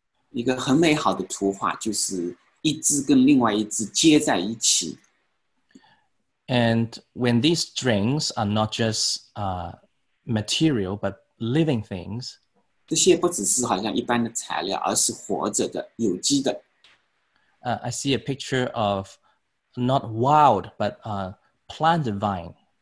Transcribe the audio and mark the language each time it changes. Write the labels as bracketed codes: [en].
[zh] 一个很美好的图画, 就是一只跟另外一只接在一起。 [en] And when these strings are not just material, but living things, [zh] 这些不只是好像一般的材料, 而是活着的, 有机的。 [en] I see a picture of not wild, but a planted vine.